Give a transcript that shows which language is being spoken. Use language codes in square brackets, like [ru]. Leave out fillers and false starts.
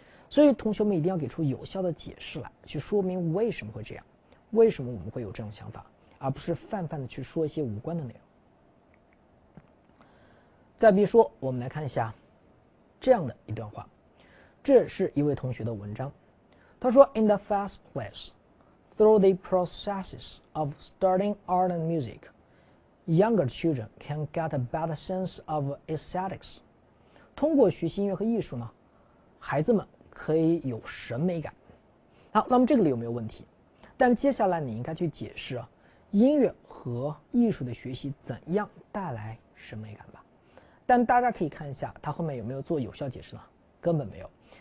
[zh] 所以同学们一定要给出有效的解释来，去说明为什么会这样，为什么我们会有这种想法，而不是泛泛的去说一些无关的内容。再比如说，我们来看一下这样的一段话，这是一位同学的文章。他说 [en] In the first place, through the processes of studying art and music, younger children can get a better sense of aesthetics. [zh] 通过学习音乐和艺术呢，孩子们可以有审美感。好，那么这个里有没有问题？但接下来你应该去解释音乐和艺术的学习怎样带来审美感吧。但大家可以看一下他后面有没有做有效解释呢？根本没有。